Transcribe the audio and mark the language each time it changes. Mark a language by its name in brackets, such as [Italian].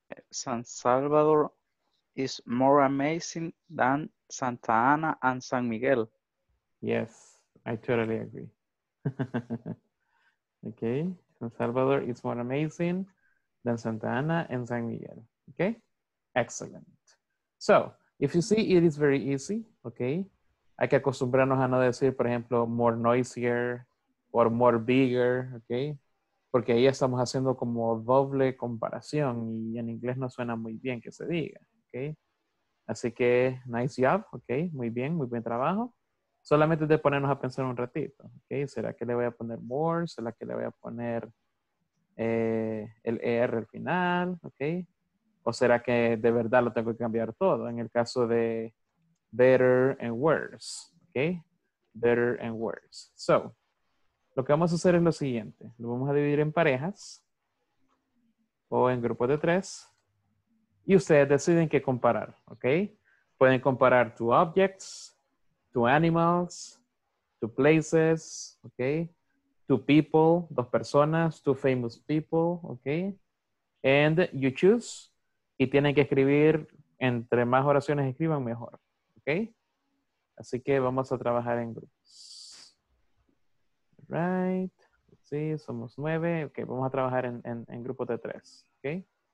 [English] San Salvador is more amazing than Santa Ana and San Miguel. Yes, I totally agree. Okay, San Salvador is more amazing than Santa Ana and San Miguel. Okay, excellent. So, if you see, it is very easy, okay? [Spanish] Hay que acostumbrarnos a no decir, por ejemplo, [English] more noisier [Spanish] o [English] more bigger, [Spanish] ¿ok? Porque ahí estamos haciendo como doble comparación y en inglés no suena muy bien que se diga, ¿ok? Así que, [English] nice job, [Spanish] ¿ok? Muy buen trabajo. Solamente de ponernos a pensar un ratito, ¿ok? ¿Será que le voy a poner more? ¿Será que le voy a poner el er al final, ¿ok? ¿O será que de verdad lo tengo que cambiar todo? En el caso de [English] better and worse, [Spanish] okay? [English] Better and worse. So, [Spanish] lo que vamos a hacer es lo siguiente. Lo vamos a dividir en parejas o en grupos de tres. Y ustedes deciden qué comparar, okay? Pueden comparar [English] to objects, to animals, to places, [Spanish] okay? [English] To people, [Spanish] dos personas, [English] to famous people, okay? And you choose. [Spanish] Y tienen que escribir, entre más oraciones escriban, mejor. Okay, así que vamos a trabajar en grupos. Right, sí, somos nueve. Okay, vamos a trabajar en grupos de tres. Okay.